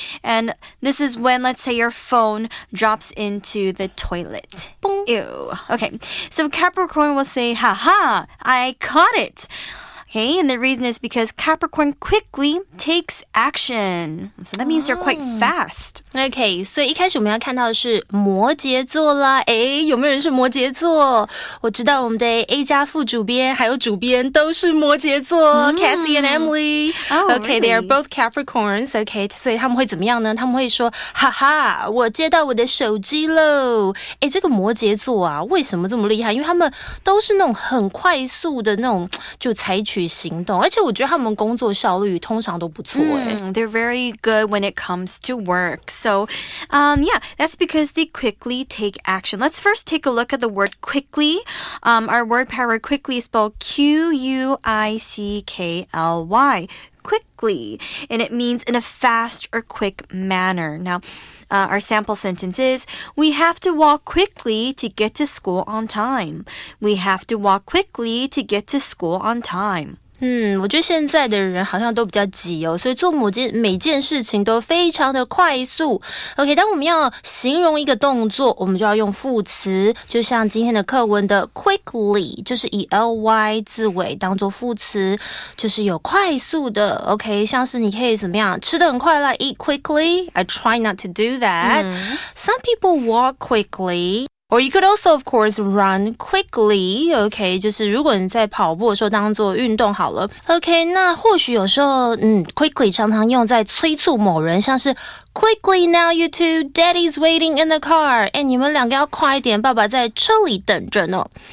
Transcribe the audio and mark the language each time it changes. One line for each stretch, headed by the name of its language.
English: And this is when, let's say, your phone drops into the toilet. Boom. Ew. Okay, so Capricorn will say, Haha, I caught it! Okay, and the reason is because Capricorn quickly takes action. So that means they're quite fast.
Chinese: Okay, 所以一开始我们要看到的是摩羯座啦。诶，有没有人是摩羯座？我知道我们的 A 加副主编还有主编都是摩羯座，Cassie and Emily.
English: Okay, they are both Capricorns. Okay,
Chinese: 所以他们会怎么样呢？他们会说，哈哈，我接到我的手机咯。诶，这个摩羯座啊，为什么这么厉害？因为他们都是那种很快速的那种就采取行动，而且我觉得他们工作效率通常都不错、欸
English: They're very good when it comes to work. So, yeah, that's because they quickly take action. Let's first take a look at the word quickly. Our word power quickly is spelled Q-U-I-C-K-L-Y. Quickly. And it means in a fast or quick manner. Now,our sample sentence is, we have to walk quickly to get to school on time. We have to walk quickly to get to school on time.
Chinese: 我觉得现在的人好像都比较急哦，所以做每件事情都非常的快速。 OK, 当我们要形容一个动作，我们就要用副词，就像今天的课文的 quickly, 就是以 ly 字尾当做副词，就是有快速的。 OK, 像是你可以怎么样，吃得很快啦 ,eat quickly,
English: I try not to do that.、 Some people walk quickly. Or you could also, of course, run quickly.
Chinese: Okay, 就是如果你在跑步的时候当做运动好了。 Okay, 那或许有时候quickly 常常用在催促某人，像是
English: quickly now you two, daddy's waiting in the car.
Chinese: 欸，你们两个要快一点，爸爸在车里等着呢。